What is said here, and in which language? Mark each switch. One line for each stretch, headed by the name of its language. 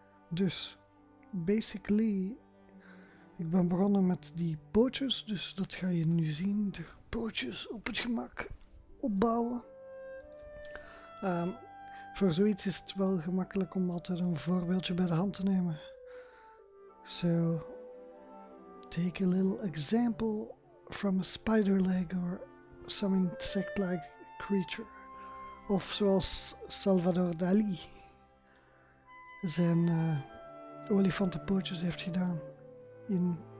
Dutch: Dus, basically, ik ben begonnen met die pootjes, dus dat ga je nu zien. De pootjes op het gemak opbouwen. Voor zoiets is het wel gemakkelijk om altijd een voorbeeldje bij de hand te nemen.
English: So, take a little example from a spider leg or some insect-like creature.
Dutch: Of zoals Salvador Dali zijn olifantenpootjes heeft gedaan in...